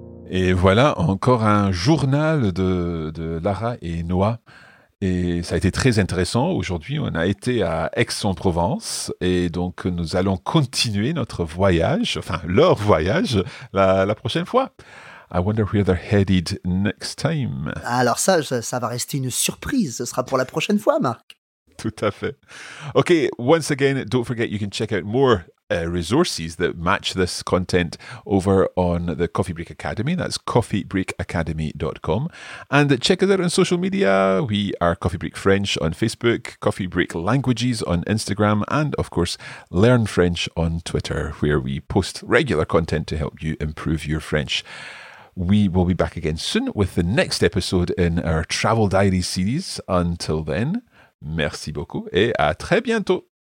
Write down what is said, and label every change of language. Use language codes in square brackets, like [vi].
[fr] Et voilà encore un journal de Lara et Noah. Et ça a été très intéressant. Aujourd'hui, on a été à Aix-en-Provence et donc nous allons continuer notre voyage, enfin leur voyage, la prochaine fois. [en] I wonder where they're headed next time. [fr] Alors ça va rester une surprise. Ce sera pour la prochaine fois, Marc. Tout à fait. [en] OK, once again, don't forget you can check out more resources that match this content over on the Coffee Break Academy. That's coffeebreakacademy.com. And check us out on social media. We are Coffee Break French on Facebook, Coffee Break Languages on Instagram, and of course, Learn French on Twitter, where we post regular content to help you improve your French. We will be back again soon with the next episode in our Travel Diaries series. Until then, [fr] merci beaucoup et à très bientôt.